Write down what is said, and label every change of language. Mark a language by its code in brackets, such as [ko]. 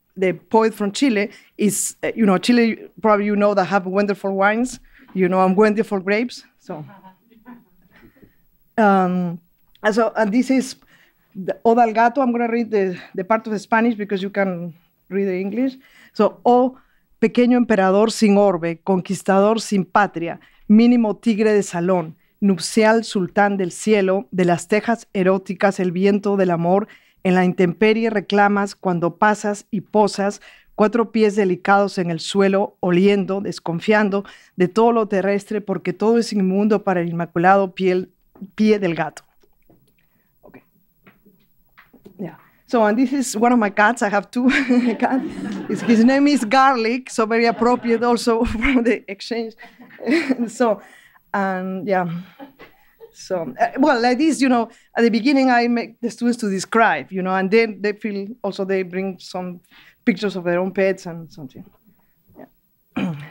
[en] The poet from Chile is, you know, Chile, probably you know, that have wonderful wines, you know, and wonderful grapes. So, and this is Ode al Gato. I'm going to read the part of the Spanish because you can read the English. [es] So, oh, pequeño emperador sin orbe, conquistador sin patria, mínimo tigre de salón, nupcial sultán del cielo, de las tejas eróticas, el viento del amor, en la intemperie reclamas cuando pasas y posas cuatro pies delicados en el suelo, oliendo, desconfiando de todo lo terrestre, porque todo es inmundo para el inmaculado pie del gato. [en] Okay. Yeah. So, and this is one of my cats. I have two cats. His name is Garlic, so very appropriate also for the exchange. So, and yeah. So, like this, you know, at the beginning I make the students to describe, you know, and then they feel also they bring some pictures of their own pets and something. Yeah.